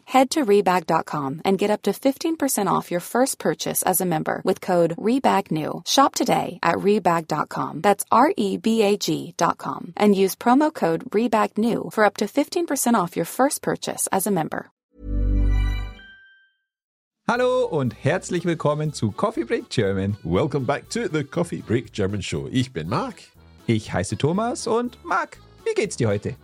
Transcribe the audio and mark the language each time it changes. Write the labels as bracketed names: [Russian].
[English] Head to Rebag.com and get up to 15% off your first purchase as a member with code REBAGNEW. Shop today at Rebag.com. That's REBAG.com. And use promo code REBAGNEW for up to 15% off your first purchase as a member. [German] Hallo und herzlich willkommen zu Coffee Break German. [English] Welcome back to the Coffee Break German Show. [German] Ich bin Marc. Ich heiße Thomas und Marc, wie geht's dir heute?